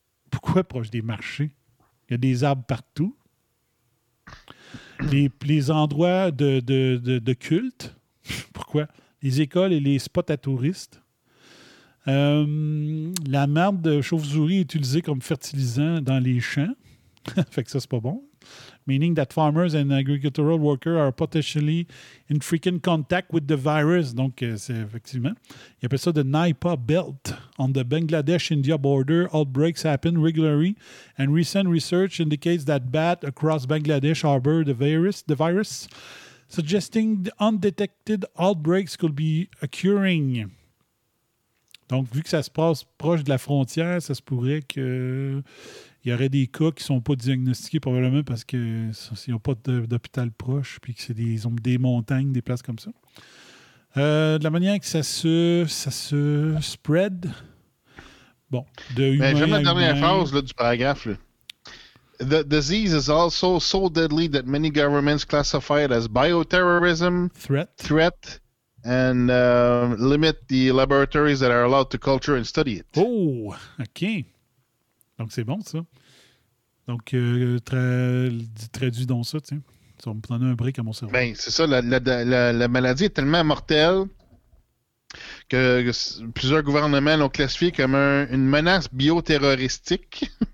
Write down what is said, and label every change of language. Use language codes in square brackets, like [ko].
[fr] Pourquoi proches des marchés? Il y a des arbres partout. Les endroits de culte. Pourquoi? Les écoles et les spots à touristes. La merde de chauve-souris est utilisée comme fertilisant dans les champs. Fait que ça, c'est pas bon. [en] Meaning that farmers and agricultural workers are potentially in frequent contact with the virus. [fr] Donc, c'est effectivement. Il appelle ça the Nipah Belt. [en] On the Bangladesh-India border, outbreaks happen regularly. And recent research indicates that bats across Bangladesh harbor the virus. Suggesting undetected outbreaks could be occurring. [fr] Donc, vu que ça se passe proche de la frontière, ça se pourrait qu'il y aurait des cas qui ne sont pas diagnostiqués probablement parce qu'ils n'ont pas d'hôpital proche puis que c'est des montagnes, des places comme ça. De la manière que ça se spread. Bon, de humain à humain. J'aime la dernière phrase là, du paragraphe, là. [en] The disease is also so deadly that many governments classify it as bioterrorism threat and limit the laboratories that are allowed to culture and study it. [fr] Oh, OK. Donc, c'est bon, ça. Donc, traduis donc ça, tu sais. Ça va me donner un break à mon cerveau. Ben, c'est ça. La maladie est tellement mortelle que plusieurs gouvernements l'ont classifié comme une menace bioterroristique.